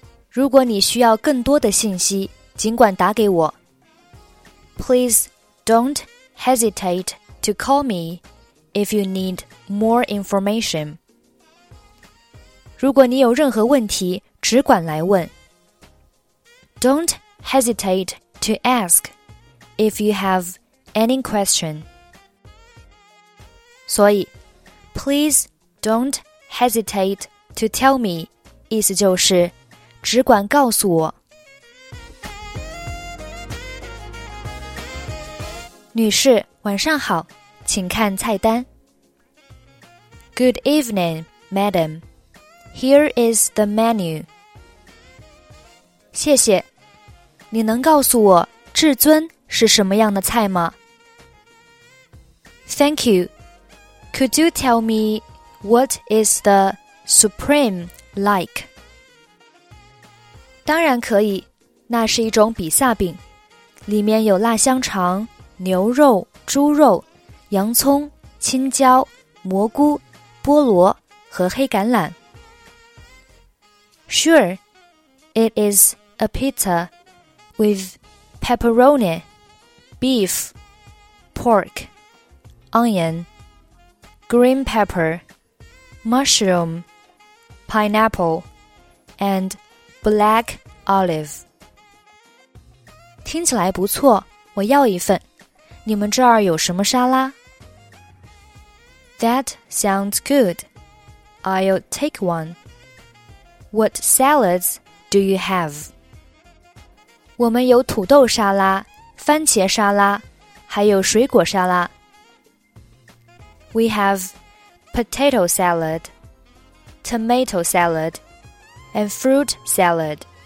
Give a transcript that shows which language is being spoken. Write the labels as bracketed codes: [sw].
[zh] 如果你需要更多的信息，尽管打给我。 [en] Please don't hesitate to call me if you need more information. [zh] 如果你有任何问题，只管来问。 [en] Don't hesitate to ask if you have any question. [zh] 所以 , [en] please don't hesitate to tell me, [zh] 意思就是只管告诉我。女士，晚上好，请看菜单。 [en] Good evening, madam. Here is the menu. [zh] 谢谢。你能告诉我至尊是什么样的菜吗？ [en] Thank you. Could you tell me what is the supreme like? [zh] 当然可以，那是一种比萨饼，里面有辣香肠、牛肉、猪肉、洋葱、青椒、蘑菇、菠萝和黑橄榄。 [en] Sure, it is a pizza with pepperoni, beef, pork, onion, green pepper, mushroom, pineapple, and black olive. [zh] 听起来不错，我要一份。你们这儿有什么沙拉？ [en] That sounds good. I'll take one. What salads do you have? [zh] 我们有土豆沙拉、番茄沙拉，还有水果沙拉。 [en] We have potato salad, tomato salad, and fruit salad.